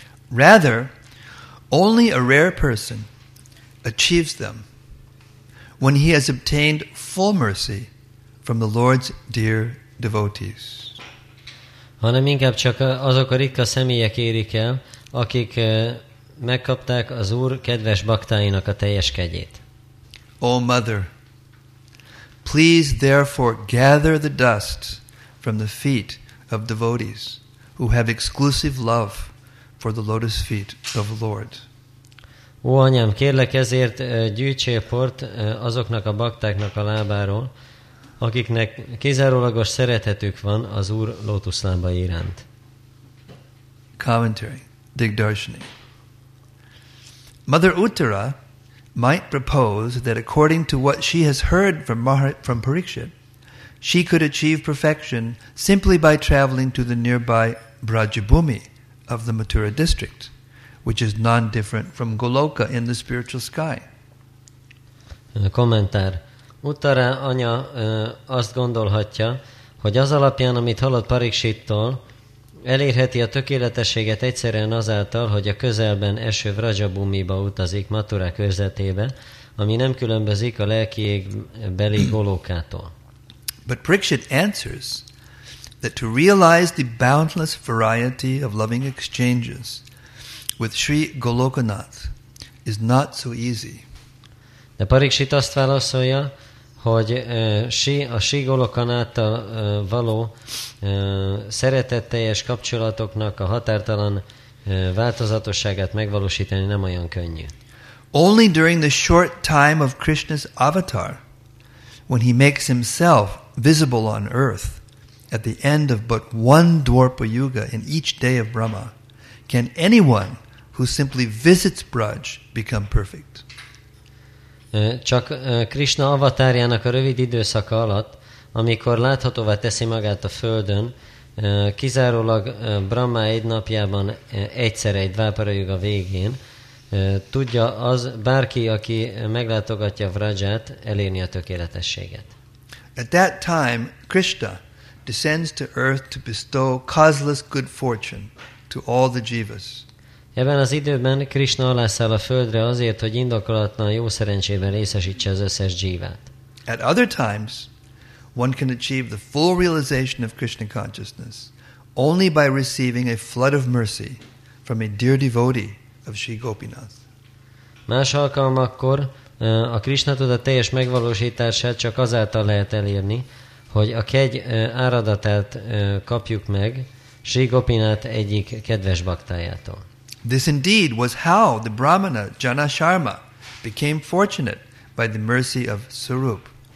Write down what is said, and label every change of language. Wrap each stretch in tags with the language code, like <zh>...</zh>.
<en>Rather, only a rare person achieves them when he has obtained full mercy from the Lord's dear devotees.</en> <hu>Hanem inkább csak azok a ritka személyek érik el, akik megkapták az Úr kedves baktáinak a teljes kegyét.</hu> <en>O Mother, please therefore gather the dust from the feet of devotees who have exclusive love for the lotus feet of the Lord.</en> <hu>Ó anyám, kérlek ezért gyűjtsél port azoknak a baktáknak a lábáról, akiknek kizárólagos szeretetük van az Úr lótuszlába iránt.</hu> <en>Commentary, Digdarshini. Mother Uttara might propose that according to what she has heard from Parikshit, she could achieve perfection simply by traveling to the nearby Brajabhumi of the Mathura district, which is non-different from Goloka in the spiritual sky.</en> <hu>Kommentár. Uttara anya azt gondolhatja, hogy az alapján, amit hallott Parikshittól, elérheti a tökéletességet egyszerűen azáltal, hogy a közelben eső Vrajabhumiba utazik Mathura körzetébe, ami nem különbözik a lelki égbeli Golokától.</hu> <en>But Parikshit answers that to realize the boundless variety of loving exchanges with Sri Golokanath is not so easy.</en> <hu>De Parikshit azt válaszolja, hogy a Sri Golokanáttal való szeretetteljes kapcsolatoknak a határtalan változatosságát megvalósítani nem olyan könnyű.</hu> <en>only during the short time of Krishna's avatar, when he makes himself visible on earth, at the end of but one Dwarpa Yuga in each day of Brahma, can anyone who simply visits Braj become perfect.</en> <hu>Csak Krishna avatárjának a rövid időszaka alatt, amikor láthatóvá teszi magát a földön, kizárólag Brahma egy napjában egyszer egy Dvapara Yuga végén, tudja az bárki, aki meglátogatja Vrajat, elérni a tökéletességet.</hu> <en>At that time, Krishna descends to earth to bestow causeless good fortune to all the jivas.</en> <hu>Ebben az időben Krishna alászáll a földre azért, hogy indokolatlan jó szerencsében részesítse az összes jívát.</hu> <en>At other times, one can achieve the full realization of Krishna consciousness only by receiving a flood of mercy from a dear devotee of Sri Gopinath.</en> <hu>Más alkalmakkor a Krishna tudat teljes megvalósítását csak azáltal lehet elérni, hogy a kegy áradatát kapjuk meg Sri Gopinath egyik kedves baktájától.</hu> <en>This indeed was how the Brahmana Jana Sharma became fortunate by the mercy of Surup.</en>